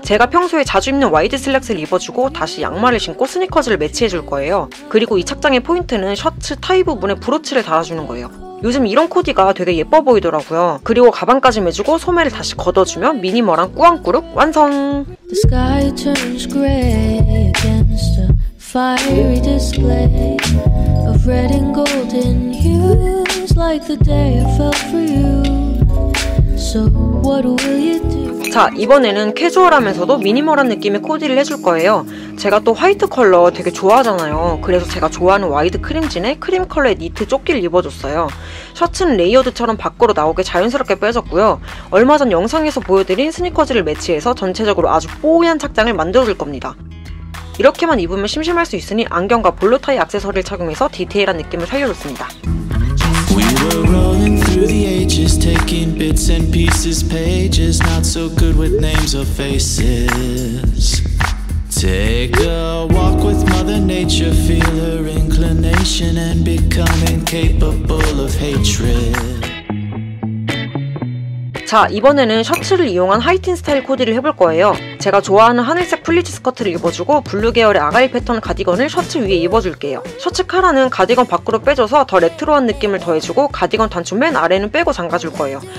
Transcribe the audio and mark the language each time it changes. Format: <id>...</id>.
<ko>제가 평소에 자주 입는 와이드 슬랙스를 입어주고 다시 양말을 신고 스니커즈를 매치해줄 거예요. 그리고 이 착장의 포인트는 셔츠 타이 부분에 브로치를 달아주는 거예요. 요즘 이런 코디가 되게 예뻐 보이더라고요. 그리고 가방까지 매주고 소매를 다시 걷어주면 미니멀한 꾸안꾸룩 완성!</ko> <en>The sky turns gray against a fiery display of red and golden hues like the day I felt for you. So what will you do?</en> <ko>자, 이번에는 캐주얼하면서도 미니멀한 느낌의 코디를 해줄 거예요. 제가 또 화이트 컬러 되게 좋아하잖아요. 그래서 제가 좋아하는 와이드 크림진에 크림 컬러의 니트 조끼를 입어줬어요. 셔츠는 레이어드처럼 밖으로 나오게 자연스럽게 빼줬고요, 얼마 전 영상에서 보여드린 스니커즈를 매치해서 전체적으로 아주 뽀얀 착장을 만들어줄 겁니다. 이렇게만 입으면 심심할 수 있으니 안경과 볼로타이 액세서리를 착용해서 디테일한 느낌을 살려줬습니다.</ko> <en>We were rolling through the ages, taking bits and pieces, pages not so good with names or faces. Take a walk with Mother Nature, feel her inclination and become incapable of hatred.</en> <ko>자, 이번에는 셔츠를 이용한 하이틴 스타일 코디를 해볼 거예요. 제가 좋아하는 하늘색 플리츠 스커트를 입어주고 블루 계열의 아가리 패턴 가디건을 셔츠 위에 입어줄게요. 셔츠 카라는 가디건 밖으로 빼줘서 더 레트로한 느낌을 더해주고 가디건 단추 맨 아래는 빼고 잠가줄 거예요.</ko>